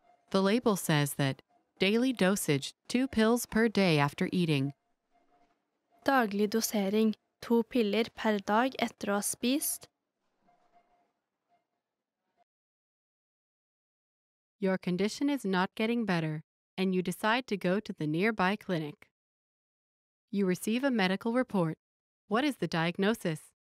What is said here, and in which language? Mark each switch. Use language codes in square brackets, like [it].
[en] The label says that daily dosage, 2 pills per day after eating. [no] Daglig dosering, 2 piller per dag etter å ha spist. [en] Your condition is not getting better, and you decide to go to the nearby clinic. You receive a medical report. What is the diagnosis?